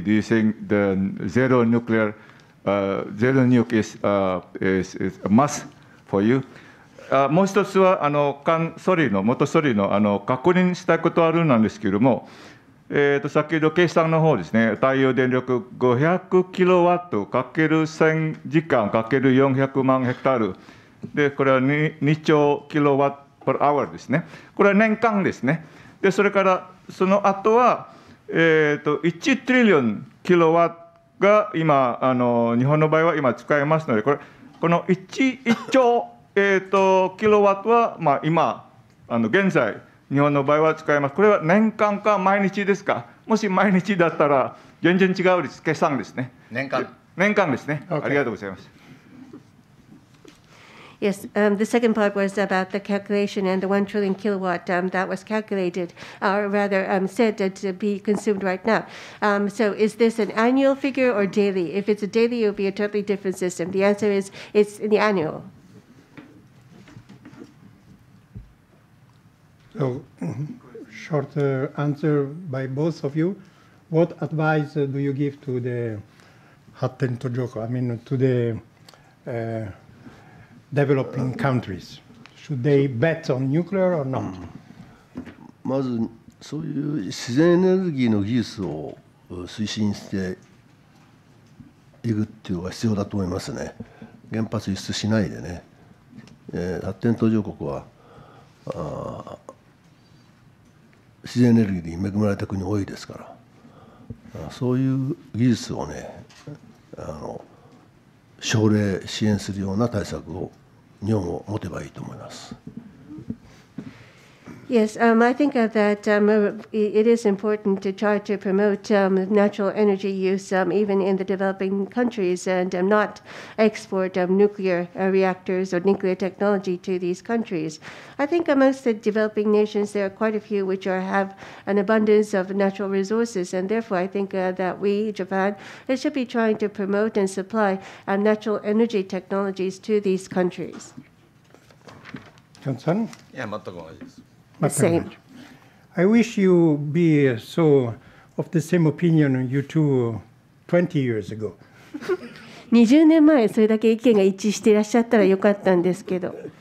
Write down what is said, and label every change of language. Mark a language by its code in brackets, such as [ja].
[en] Do you think the zero nuclear zero nuke is a must for you? [ja] もう一つは元総理の確認したいことあるなんですけれども、先ほど計算の方ですね、太陽電力500kW かける1000時間かける400万ヘクタールで、これは 2兆 kWh ですね。これは年間ですね。でそれからその後は、1トリリオンキロワットが今日本の場合は今使えますので、これこの 1兆キロワットは、まあ、今現在日本の場合は使えます。これは年間か毎日ですか。もし毎日だったら全然違う計算ですね。年間ですね、okay. ありがとうございます。 [en] Yes, the second part was about the calculation and the 1 trillion kilowatt that was calculated or rather said to be consumed right now. So is this an annual figure or daily? If it's a daily, it would be a totally different system. The answer is it's in the annual. So, short answer by both of you. What advice do you give to the Hatten Tojoko, I mean, to the developing countries? Should they bet on nuclear or not? [ja] まず、そういう自然エネルギーの技術を推進していくっていうのが必要だと思いますね。原発輸出しないでね。発展途上国は、自然エネルギーに恵まれた国多いですから、そういう技術をね、奨励支援するような対策を日本も持てばいいと思います。 [en] Yes, I think that it is important to try to promote natural energy use even in the developing countries and not export nuclear reactors or nuclear technology to these countries. I think amongst the developing nations, there are quite a few which have an abundance of natural resources, and therefore I think that we, Japan, should be trying to promote and supply natural energy technologies to these countries. Johnson? [ja] Yeah, 全く同じです。 [en] I wish you be so of the same opinion you two 20 years ago. [ja] 20年前それだけ意見が一致していらっしゃったらよかったんですけど。